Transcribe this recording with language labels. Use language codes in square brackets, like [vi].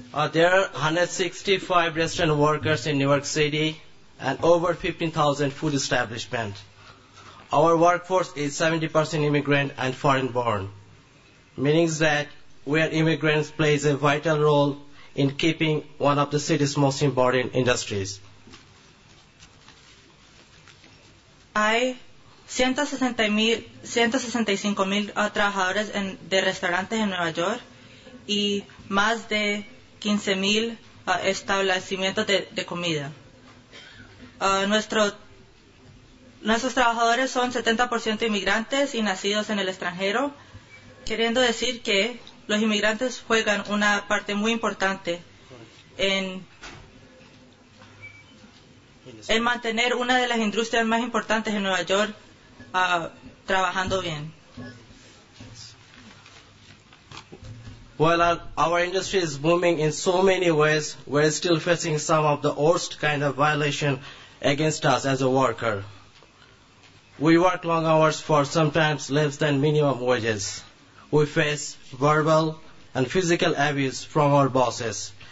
[en] There are 165 restaurant workers in New York City and over 15,000 food establishments. Our workforce is 70% immigrant and foreign-born, meaning that we are immigrants plays a vital role in keeping one of the city's most important industries. [es] Hay 165,000 trabajadores de restaurantes en Nueva York y más de 15,000 establecimientos de comida. Nuestros trabajadores son 70% inmigrantes y nacidos en el extranjero, queriendo decir que los inmigrantes juegan una parte muy importante en mantener una de las industrias más importantes en Nueva York trabajando bien. [en] While our industry is booming in so many ways, we're still facing some of the worst kind of violation against us as a worker. We work long hours for sometimes less than minimum wages. We face verbal and physical abuse from our bosses.